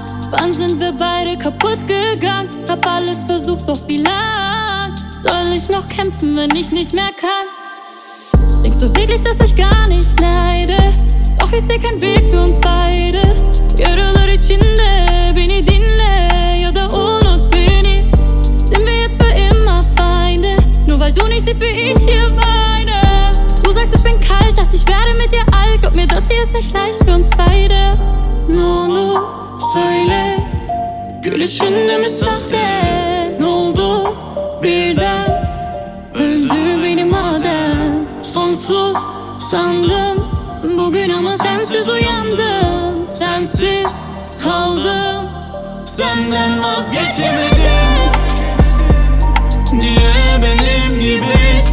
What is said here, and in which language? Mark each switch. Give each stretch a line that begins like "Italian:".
German: Wann sind wir beide kaputt gegangen? Hab alles versucht, doch wie lang? Soll ich noch kämpfen, wenn ich nicht mehr kann? Denkst du wirklich, dass ich gar nicht leide? Doch ich seh keinen Weg für uns beide.
Turkish: Yaralar içinde, beni dinle ya da unut beni.
German: Sind wir jetzt für immer Feinde? Nur weil du nicht siehst, wie ich hier weine. Du sagst, ich bin kalt, dachte ich werde mit dir alt. Glaub mir, das hier ist nicht leicht für uns beide.
Turkish: Nunu söyle, gülüşünde mi sahte? Ne oldu birden, öldür beni madem. Sonsuz sandım bugün ama sensiz uyandım. Sensiz kaldım, senden vazgeçemedim. Niye benim gibi